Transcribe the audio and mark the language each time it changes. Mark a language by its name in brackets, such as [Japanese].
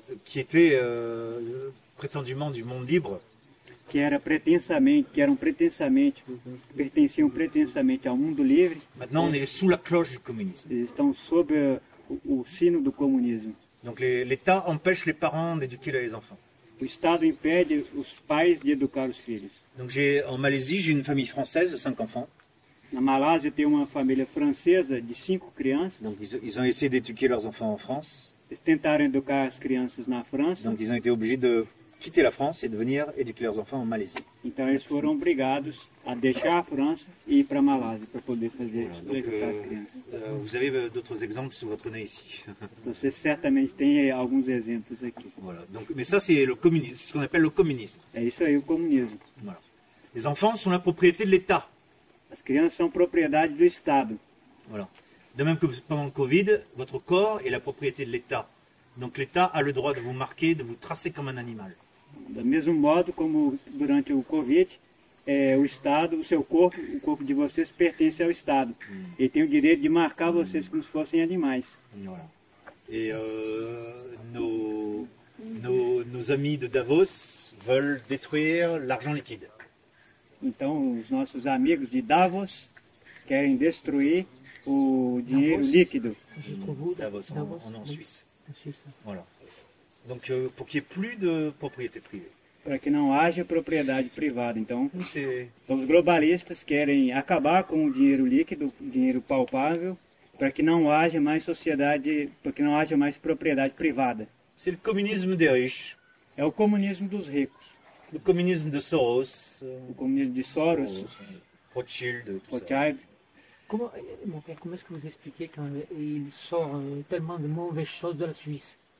[French] qui était prétendument du monde libre, [Portuguese] qui era pretensamente, qui eram pretensamente, pertenciam pretensamente ao mundo livre. [French] Maintenant, on est sous la cloche du communisme. Ils sont sous le signe du communisme. Donc l'État empêche les parents d'éduquer les enfants. [Portuguese] O Estado impede os pais de educar os filhos. [French] Donc j'ai en Malaisie, j'ai une famille française de 5 enfants. [Portuguese] Na Malásia tem uma família francesa de 5 crianças. [French] Donc ils ont essayé d'éduquer leurs enfants en France. [Portuguese] Eles tentaram educar as crianças na França. [French] Donc ils ont été obligés de quitter la France et de venir éduquer leurs enfants en Malaisie. [Portuguese] Então eles foram obrigados a deixar a França e ir para Malásia para poder fazer as crianças. [French] Vous avez d'autres exemples sur votre nez ici. [Portuguese] Você certamente tem alguns exemplos aqui. [French] Voilà. Donc, mais ça c'est le communisme, ce qu'on appelle le communisme. [Portuguese] É isso aí, o comunismo. [French] Voilà. Les enfants sont la propriété de l'État. [Portuguese] As crianças são propriedade do Estado. [French] Voilà. De même que pendant le Covid, votre corps est la propriété de l'État. Donc l'État a le droit de vous marquer, de vous tracer comme un animal. [Portuguese] Da mesmo modo como durante o Covid, o Estado, o corpo de vocês pertence ao Estado. Ele tem o direito de marcar vocês como se fossem animais. [French] Voilà. Et nos amis de Davos veulent détruire l'argent liquide. [Portuguese] Então, os nossos amigos de Davos querem destruir o dinheiro líquido. [French] Davos, en Suisse. Voilà. Donc, pour qu'il n'y ait plus de propriété privée. [Portuguese] Para que não haja propriedade privada, então. Então, os globalistas querem acabar com o dinheiro líquido, dinheiro palpável, para que não haja mais sociedade, para que não haja mais propriedade privada. [French] C'est le communisme des riches. [Portuguese] É o comunismo dos ricos. [French] Le communisme de Soros. [Portuguese] O comunismo de Soros. Rothschild. Rothschild. [French] Mon père, comment est-ce que vous expliquez quand il sort tellement de mauvaises choses de la Suisse?